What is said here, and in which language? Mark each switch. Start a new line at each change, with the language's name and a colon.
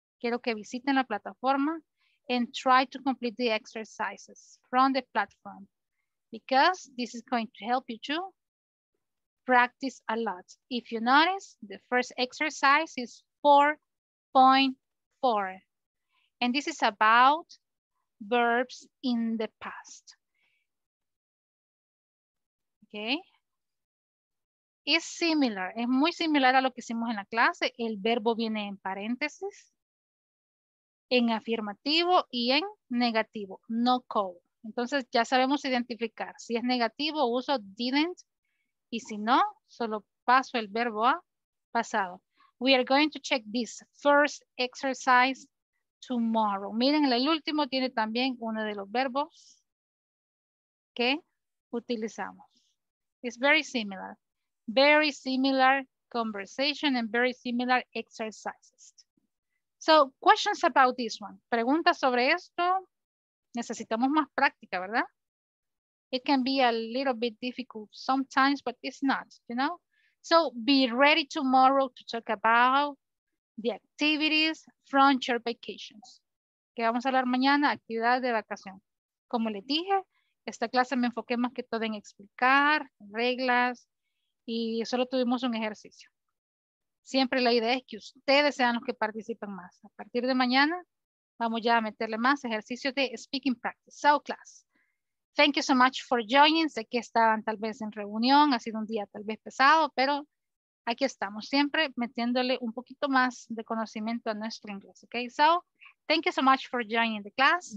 Spanish: Quiero que visiten la plataforma
English: and try to complete the exercises from the platform, because this is going to help you to practice a lot. If you notice, the first exercise is 4.4. And this is about verbs in the past. Okay.
Spanish: Es similar, es muy similar a lo que hicimos en la clase. El verbo viene en paréntesis, en afirmativo y en negativo. No go, Entonces ya sabemos identificar si es negativo, uso didn't, y si no, solo paso el verbo a pasado.
English: We are going to check this first exercise tomorrow.
Spanish: Miren, el último tiene también uno de los verbos que utilizamos.
English: It's very similar. Very similar conversation and very similar exercises. So, questions about this one.
Spanish: Preguntas sobre esto. Necesitamos más práctica, ¿verdad?
English: It can be a little bit difficult sometimes, but it's not, you know? So, be ready tomorrow to talk about the activities from your vacations.
Spanish: Que vamos a hablar mañana, actividades de vacación. Como les dije, esta clase me enfoqué más que todo en explicar reglas y solo tuvimos un ejercicio. Siempre la idea es que ustedes sean los que participen más. A partir de mañana, vamos ya a meterle más ejercicios de speaking practice.
English: So class, thank you so much for joining.
Spanish: Sé que estaban tal vez en reunión, ha sido un día tal vez pesado, pero aquí estamos siempre metiéndole un poquito más de conocimiento a nuestro inglés.
English: Okay, so thank you so much for joining the class.